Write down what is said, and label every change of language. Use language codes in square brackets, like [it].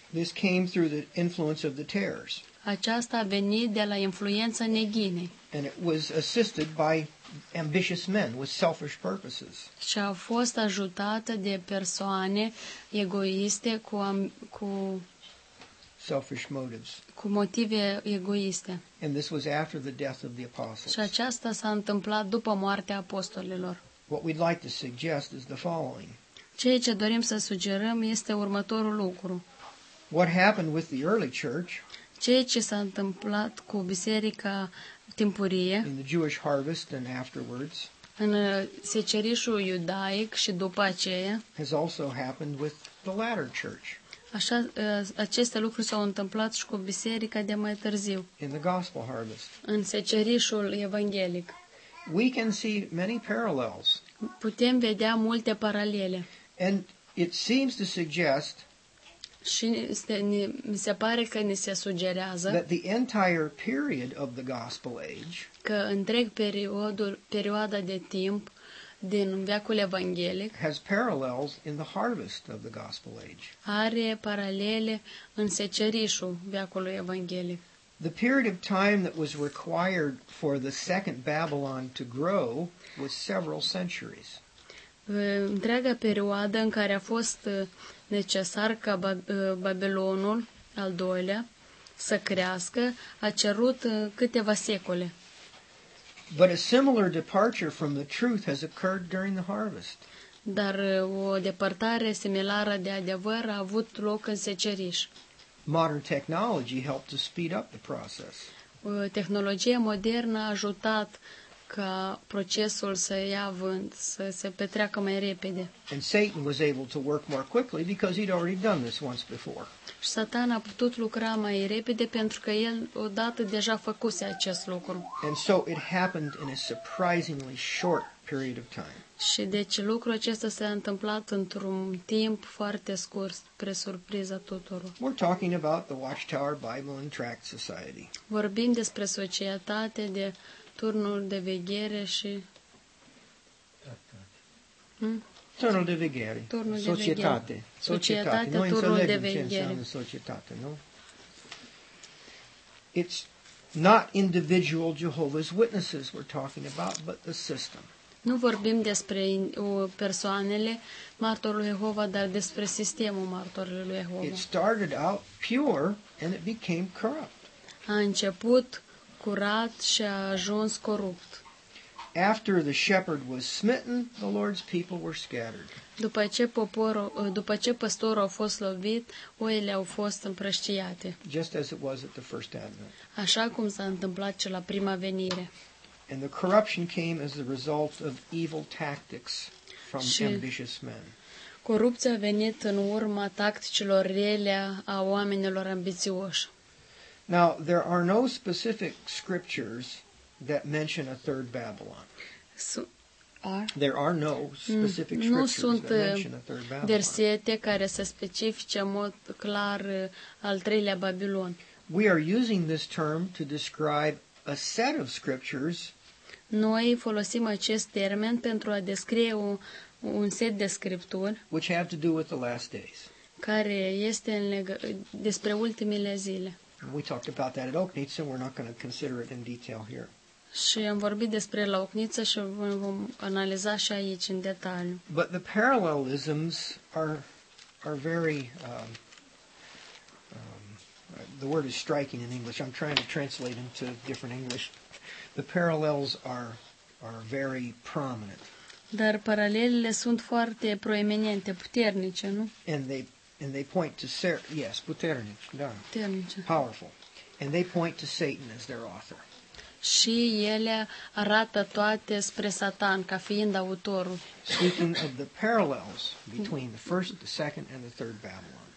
[en] This came through the influence of the tares. [ro] Aceasta a venit de la influența neghinei. [en] And it was assisted by ambitious men with selfish purposes. [ro] Și a fost ajutată de persoane egoiste cu [en] selfish motives. [ro] Cu motive egoiste. [en] And this was after the death of the apostles. [ro] Și aceasta s-a întâmplat după moartea apostolilor. [en] What we'd like to suggest is the following. [ro] Ceea ce dorim să sugerăm este următorul lucru. [en] What happened with the early church? [ro] Ceea ce s-a întâmplat cu biserica timpurie? [en] In the Jewish harvest and afterwards. [ro] În secerișul iudaic și după aceea. [en] Has also happened with the latter church. [ro] Așa, aceste lucruri s-au întâmplat și cu biserica de mai târziu. [en] In the gospel harvest. [ro] În secerișul evanghelic. [en] We can see many parallels. [ro] Putem vedea multe paralele. [en] And it seems to suggest [ro] Și mi se pare că ni se sugerează [en] that the entire period of the gospel age, [ro] că întreg perioada de timp din veacul evanghelic, [en] has parallels in the harvest of the gospel age. [ro] Are paralele în secerișul veacului evanghelic. [en] The period of time that was required for the second Babylon to grow was several centuries. [ro] Întreaga perioadă în care a fost necesar ca Babilonul al doilea să crească a cerut câteva secole. [en] But a similar departure from the truth has occurred during the harvest. [ro] Dar o depărtare similară de adevăr a avut loc în seceriș. [en] Modern technology helped to speed up the process. [ro] Tehnologia modernă a ajutat ca procesul să ia vânt, să se petreacă mai repede. [en] And Satan was able to work more quickly because he'd already done this once before. [ro] Și Satan a putut lucra mai repede pentru că el odată deja făcuse acest lucru. [en] And so it happened in a surprisingly short period of time. [ro] Și deci lucrul acesta s-a întâmplat într-un timp foarte scurs, spre surpriza tuturor. [en] We're talking about the Watchtower Bible and Tract Society. [ro] Vorbim despre societatea de turnul de veghere și turnul de veghere. Turnul societate. De veghere. Societate. Societate. Noi înțelegem de veghere. Ce înseamnă societate, nu? [en] It's not individual Jehovah's Witnesses we're talking about, but the system. [ro] Nu vorbim despre persoanele martorului Jehova, dar despre sistemul martorului lui Jehova. [en] It started out pure and it became corrupt. [ro] A început curat și a ajuns corupt. [en] After the shepherd was smitten, the Lord's people were scattered. [ro] După ce păstorul a fost lovit, oile au fost împrăștiate. [en] Just as it was at the first advent. [ro] Așa cum s-a întâmplat și la prima venire. [en] And the corruption came as the result of evil tactics from ambitious men. [ro] Corupția a venit în urma tacticilor rele a oamenilor ambițioși. [en] Now, there are no specific scriptures that mention a third Babylon. There are no specific scriptures that mention a third Babylon. [ro] Nu sunt versete care să specifice în mod clar al treilea Babilon. [en] We are using this term to describe a set of scriptures. [ro] Noi folosim acest termen pentru a descrie un set de scripturi [en] which have to do with the last days. [ro] Care este despre ultimele zile. [en] And we talked about that at Ochniță, we're not going to consider it in detail here. [ro] Și am vorbit despre la Ochniță și vom analiza și aici în detaliu. [en] But the parallelisms are very the word is striking in English. I'm trying to translate into different English. The parallels are very prominent. [ro] Dar paralelele sunt foarte proeminente, puternice, nu? [en] And they point to yes, [ro] puternic, da. Puternice. [en] Powerful. And they point to Satan as their author. [ro] Și ele arată toate spre Satan ca fiind autorul. [en] Speaking of the parallels between the first, the second and the third Babylon.